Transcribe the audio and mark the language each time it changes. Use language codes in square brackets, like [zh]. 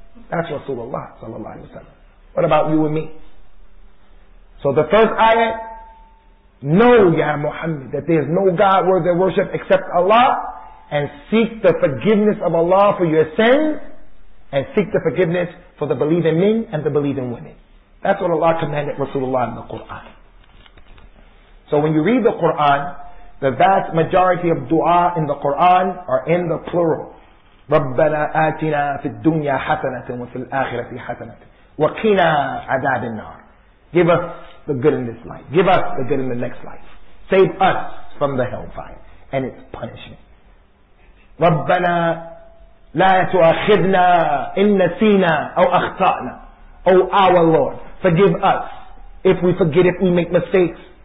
[en] That's Rasulullah sallallahu alayhi wa sallam. What about you and me? So the first ayah, know, Ya Muhammad, that there is no God worthy of worship except Allah, and seek the forgiveness of Allah for your sins, and seek the forgiveness for the believing men and the believing women. That's what Allah commanded Rasulullah in the Quran. So when you read the Quran, the vast majority of dua in the Quran are in the plural. [ar] رَبَّنَا آتِنَا فِي الدُّنْيَا حَسَنَةٍ وَفِي الْآخِرَةِ حَسَنَةٍ وَقِنَا عَذَابِ النَّارِ. [en] Give us the good in this life. Give us the good in the next life. Save us from the hellfire and its punishment. [ar] رَبَّنَا لَا تُؤَخِذْنَا إِن نَسِينَا أَوْ أَخْطَأْنَا. [en] O our Lord, forgive us if we forget, if we make mistakes.